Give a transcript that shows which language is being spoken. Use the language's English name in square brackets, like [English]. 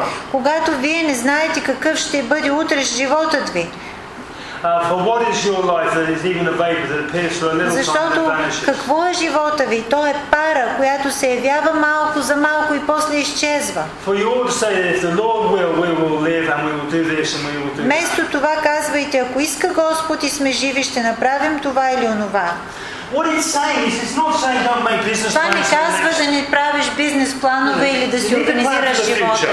[Bulgarian] Когато вие не знаете какъв ще бъде утре с животът ви, [English] For what is your life that is even a vapor that appears for a little [Bulgarian] Защото [English] time and vanishes? [Bulgarian] Какво е живота ви? То е пара, която се явява малко за малко и после изчезва. [English] For you ought to say that if the Lord will, we will live and we will do this and we will do that. [Bulgarian] Вместо това казвайте, ако иска Господ и сме живи, ще направим това или онова. [English] What it's saying is, it's not saying don't make business plans. [Bulgarian] Това не казва да не правиш бизнес планове или да си организираш живота.